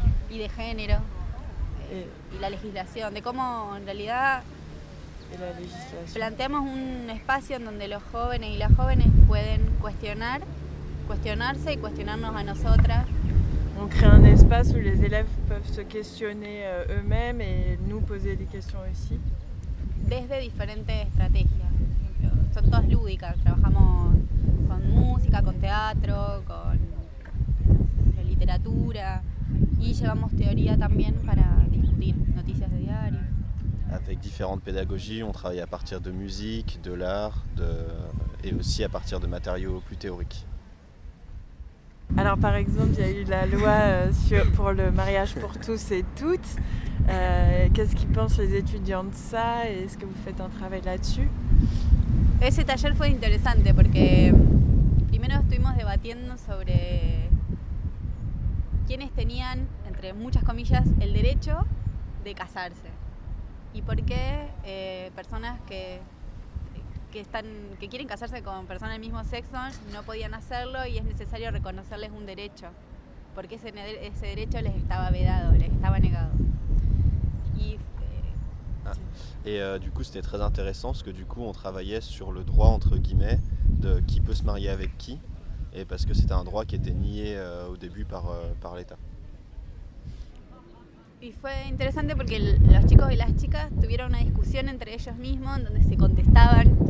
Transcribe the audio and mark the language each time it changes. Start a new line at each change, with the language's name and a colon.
Spanish: Y de género.
French: Et la législation. De comment, en réalité,
Spanish: de la legislación. Planteamos un espacio en donde los jóvenes y las jóvenes pueden cuestionarse y cuestionarnos a nosotras.
French: On crée un espace où les élèves peuvent se questionner eux-mêmes et nous poser des questions aussi.
Spanish: Desde diferentes estrategias. Son todas lúdicas. Trabajamos con música, con teatro, con literatura y llevamos teoría también para discutir noticias de diario.
French: Avec différentes pédagogies, on travaille à partir de musique, de l'art, et aussi à partir de matériaux plus théoriques. Alors par exemple, il y a eu la loi pour le mariage pour tous et toutes. Qu'est-ce qu'ils pensent les étudiants de ça et est-ce que vous faites un travail là-dessus?
Spanish: Ese taller fue interesante porque primero estuvimos debatiendo sobre quiénes tenían, entre muchas comillas, el derecho de casarse y por qué personas que quieren casarse con personas del mismo sexo no podían hacerlo y es necesario reconocerles un derecho, porque ese derecho les estaba vedado, les estaba negado.
French: Du coup, c'était très intéressant parce que du coup, on travaillait sur le droit entre guillemets de qui peut se marier avec qui, et parce que c'était un droit qui était nié au début par l'État.
Spanish: Y fue interesante porque los chicos y las chicas tuvieron una discusión entre ellos mismos en donde se contestaban.